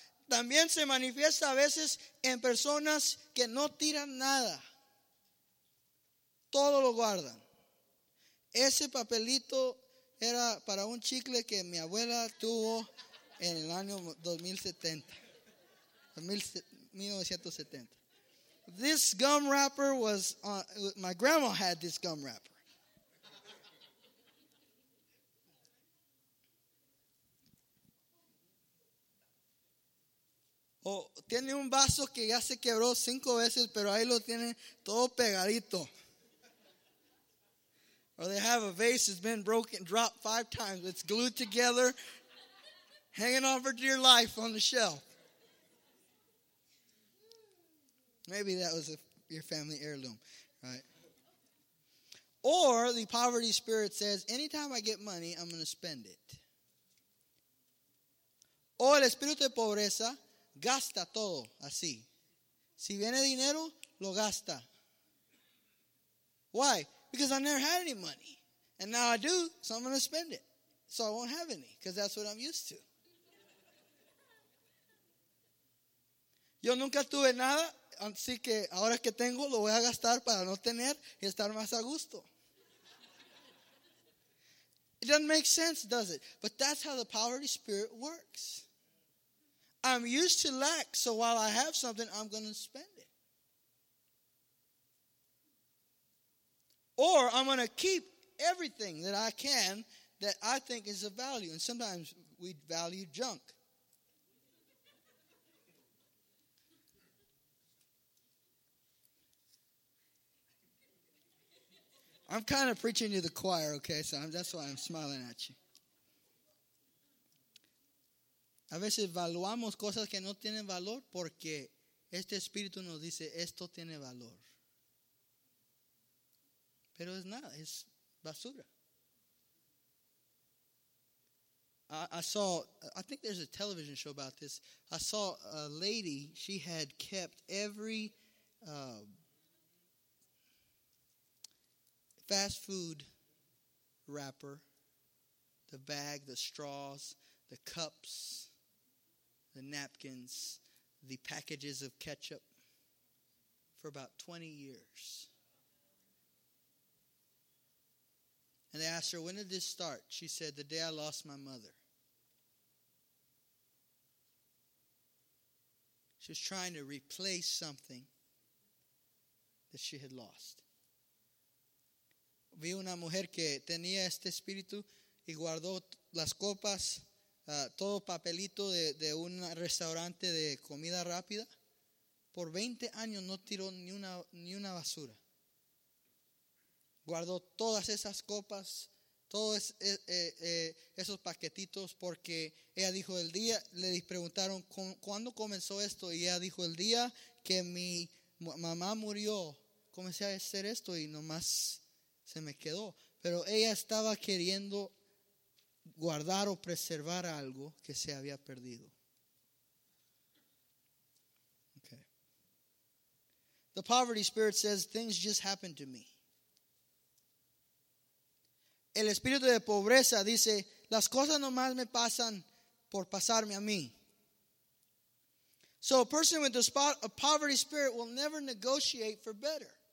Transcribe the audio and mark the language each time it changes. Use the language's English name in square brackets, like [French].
[Spanish] También se manifiesta a veces en personas que no tiran nada. Todo lo guardan. Ese papelito era para un chicle que mi abuela tuvo en el año 1970. [English] This gum wrapper was, my grandma had this gum wrapper. [Spanish] O tiene un vaso que ya se quebró 5 veces, pero ahí lo tiene todo pegadito. [English] Or they have a vase that's been broken, dropped 5 times. It's glued together, hanging on for dear life on the shelf. Maybe that was your family heirloom, right? Or the poverty spirit says, anytime I get money, I'm going to spend it. [Spanish] O el espíritu de pobreza gasta todo así. Si viene dinero, lo gasta. [English] Why? Because I never had any money. And now I do, so I'm going to spend it. So I won't have any, because that's what I'm used to. [Spanish] Yo nunca tuve nada, así que ahora que tengo, lo voy a gastar para no tener y estar más a gusto. [English] It doesn't make sense, does it? But that's how the poverty spirit works. I'm used to lack, so while I have something, I'm going to spend it. Or I'm going to keep everything that I can that I think is of value. And sometimes we value junk. I'm kind of preaching to the choir, okay? So that's why I'm smiling at you. [Spanish] A veces evaluamos cosas que no tienen valor porque este espíritu nos dice esto tiene valor. Pero es nada, es basura. [English] I think there's a television show about this. I saw a lady, she had kept every fast food wrapper, the bag, the straws, the cups, the napkins, the packages of ketchup for about 20 years. And they asked her, when did this start? She said, the day I lost my mother. She was trying to replace something that she had lost. [Spanish] Vi una mujer que tenía este espíritu y guardó las copas, todo papelito de un restaurante de comida rápida. Por 20 años no tiró ni una basura. Guardó todas esas copas, todos esos paquetitos, porque ella dijo el día, le preguntaron, ¿cuándo comenzó esto? Y ella dijo, el día que mi mamá murió, comencé a hacer esto y nomás se me quedó. Pero ella estaba queriendo guardar o preservar algo que se había perdido. [English] Okay. The poverty spirit says, things just happened to me. [Spanish] El espíritu de pobreza dice, las cosas nomás me pasan por pasarme a mí. [English] So a person with a poverty spirit will never negotiate for better.